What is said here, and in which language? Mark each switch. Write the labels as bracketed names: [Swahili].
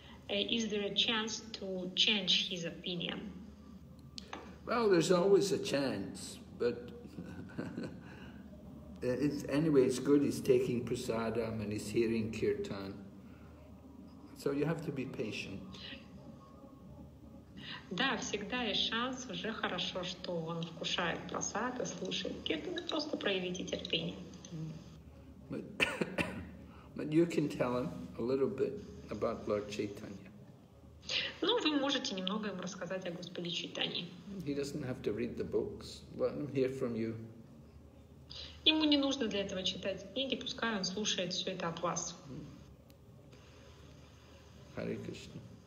[English] Is there a chance to change his opinion? Well, there's always a chance, but it's good he's taking prasadam and he's hearing kirtan. So you have to be patient. [Russian] Да, всегда есть шанс, уже хорошо, что он вкушает прасад, слушает киртан, просто проявите терпение. [English] But you can tell him a little bit about Lord Chaitanya. [Russian] Ну, вы можете немного ему рассказать о Господе Чайтанье. [English] He doesn't have to read the books. Let him hear from you. [Russian] Ему не нужно для этого читать книги, пускай он слушает все это от вас. Харе Кришна.